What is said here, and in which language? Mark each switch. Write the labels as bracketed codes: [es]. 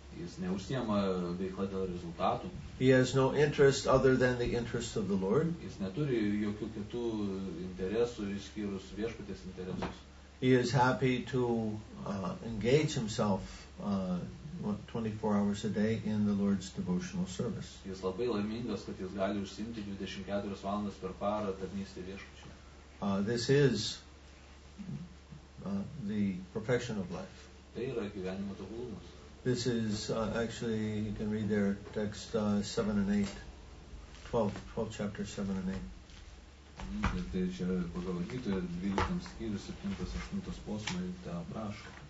[lt] Jis neužsiema veikla dėl rezultatų. [en] He has no interest other than the interests of the Lord. [lt] Jis neturi jokių kitų interesų išskyrus viešpaties interesus. [en] He is happy to engage himself 24 hours a day in the Lord's devotional service. [lt] Jis labai laimingas, kad jis gali užsiimti 24 valandas per parą tarnystę viešpačiui. [en] This is the perfection of life. [lt] Tai yra gyvenimo tobulumas. [en] This is actually, you can read there, text 7 and 8, 12 chapter 7 and 8. [lt] Tai čia pagal Gytoje 12 skyrius 7-8 posmai tą aprašo.